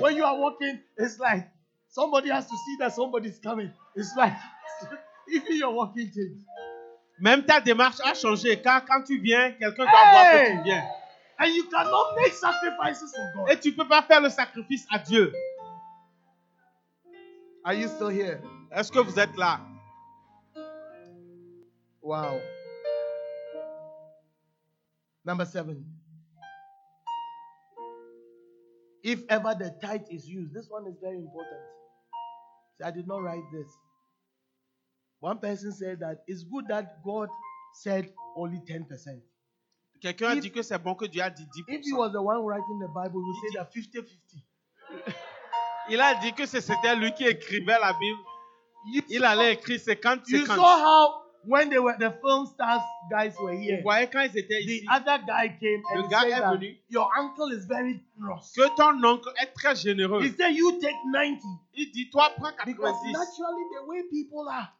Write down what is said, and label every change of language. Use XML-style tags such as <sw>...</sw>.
<en>When you are walking, it's like somebody has to see that somebody's coming. It's like even your walking change.</en> <fr>Même ta démarche a changé. Car quand tu viens, quelqu'un doit voir que tu viens.</fr> <en>And you cannot make sacrifices for God.</en> <fr>Et tu peux pas faire le sacrifice à Dieu.</fr> <en>Are you still here?</en> <fr>Est-ce que vous êtes là?</fr> <en>Wow. Number 7. If ever the tithe is used, this one is very important. See, I did not write this. One person said that it's good that God said only 10%.</en> <fr>Quelqu'un a dit que c'est bon que Dieu a dit 10%.</fr> <en>If he was the one writing the Bible, he would say that 50-50.</en> <fr>Il a dit que c'était lui qui écrivait la Bible. Il allait écrire 50-50.</fr> <en>You saw how when they were the film stars guys were here.</en> <fr>Vous voyez quand ils étaient</fr> <en>the</en> <fr>ici.</fr> <en>The other guy came</en> <fr>le</fr> <en>and</en> <fr>gars</fr> <en>said</en> <fr>est venu,</fr> <en>that your uncle is very generous.</en> <fr>Que ton oncle est très généreux.</fr> <en>He said you take 90.</en> <fr>Il dit toi prends 90.</fr> <en>Because naturally the way people are.</en>